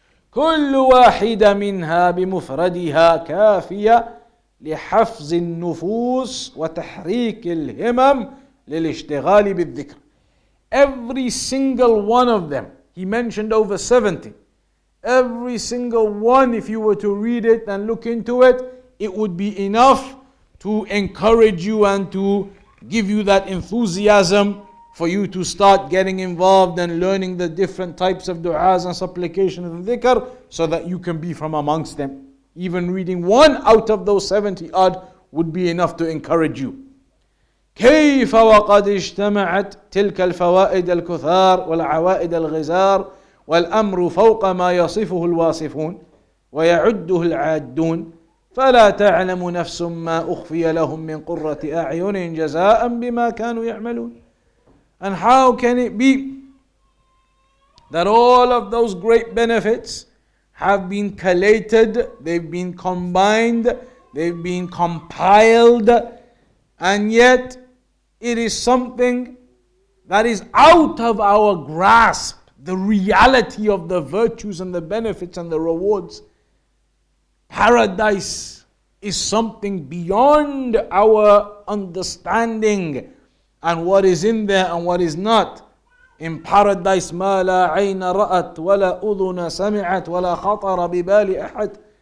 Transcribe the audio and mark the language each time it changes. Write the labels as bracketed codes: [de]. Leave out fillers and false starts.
[ar] كل واحدة منها بمفردها كافية لحفظ النفوس وتحريك الهمم للاشتغال بالذكر. [en] Every single one of them, he mentioned over 70. Every single one, if you were to read it and look into it, it would be enough to encourage you and to give you that enthusiasm for you to start getting involved and learning the different types of du'as and supplications of dhikr, so that you can be from amongst them. Even reading one out of those 70 odd would be enough to encourage you. [ar] كيف وقد اجتمعت تلك الفوائد الكثار والعوائد الغزار والأمر فوق ما يصفه الواصفون ويعده العادون فلا تعلم نفس ما أخفي لهم من قرة أعين جزاء بما كانوا يعملون. [en] And how can it be that all of those great benefits have been collated, they've been combined, they've been compiled, and yet it is something that is out of our grasp, the reality of the virtues and the benefits and the rewards. Paradise is something beyond our understanding and what is in there and what is not. In paradise, [ar] ما لا عين رأت ولا أذن سمعت ولا خطر ببال أحد.